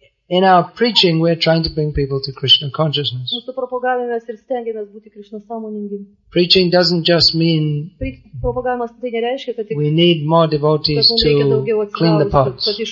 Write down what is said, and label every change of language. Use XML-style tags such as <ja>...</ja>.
<en>In our preaching, we're trying to bring people to Krishna consciousness.</en> <lt>Mūsų propagavimas ir stengiamės būti Krishna sąmoningi.</lt> <en>Preaching doesn't just mean we need more devotees to clean the pots.</en>